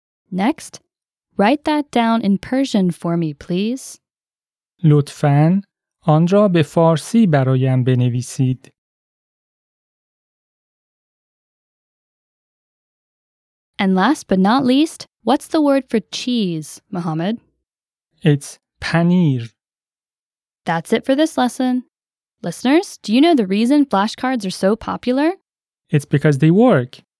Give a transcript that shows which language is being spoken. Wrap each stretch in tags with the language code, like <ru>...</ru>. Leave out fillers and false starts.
<en>Next, write that down in Persian for me, please.</en> <fa>لطفاً آن را به فارسی برایم بنویسید.</fa> <en>And last but not least, what's the word for cheese, Mohammed? It's panir. That's it for this lesson. Listeners, do you know the reason flashcards are so popular? It's because they work.</en>